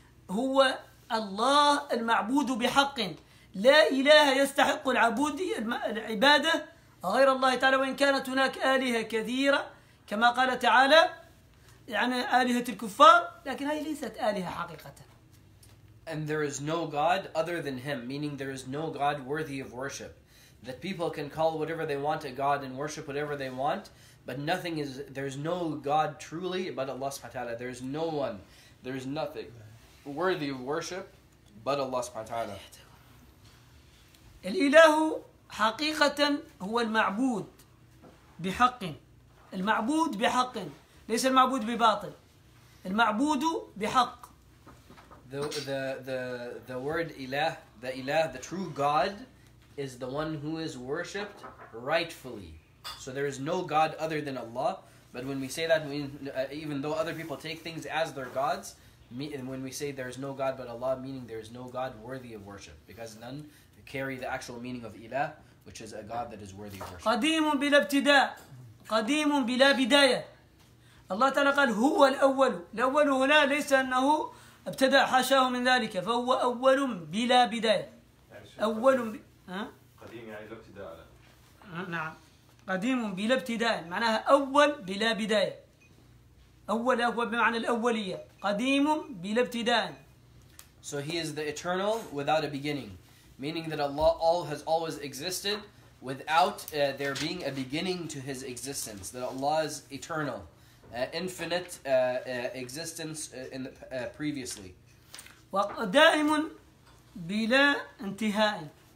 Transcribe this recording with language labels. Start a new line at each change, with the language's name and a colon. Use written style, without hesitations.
Arabic: هو الله المعبود بحق لا إله يستحق العبادة غير الله تعالى وإن كانت هناك آلهة كثيرة كما قال تعالى يعني آلهة الكفار لكن هذه ليست آلهة حقيقة.
English: And there is no God other than him, meaning there is no God worthy of worship. That people can call whatever they want a god and worship whatever they want, but nothing is, there is no god truly but Allah subhanahu wa ta'ala. There is no one, there is nothing worthy of worship but Allah subhanahu wa ta'ala.
Arabic: الإله حقيقة هو المعبود بحق المعبود بحق ليس المعبود بباطل المعبود بحق.
English: The word إله, the true god is the one who is worshipped rightfully. So there is no God other than Allah. But when we say that, even though other people take things as their gods, when we say there is no God but Allah, meaning there is no God worthy of worship. Because none carry the actual meaning of ilah, which is a God that is worthy of worship.
Arabic: قديم بلا ابتداء قديم بلا بداية الله تعالى قال هو الأول الأول هنا ليس أنه ابتدى حاشاه من ذلك فهو أول بلا بداية أول قديم يعني بلا ابتداء نعم قديم بلا ابتداء معناها أول بلا بداية أول هو بمعنى الأولية قديم بلا ابتداء.
English: So he is the eternal without a beginning, meaning that Allah all has always existed without there being a beginning to his existence. That Allah is eternal, infinite existence in the previously.
Arabic: ودائم بلا انتهاء.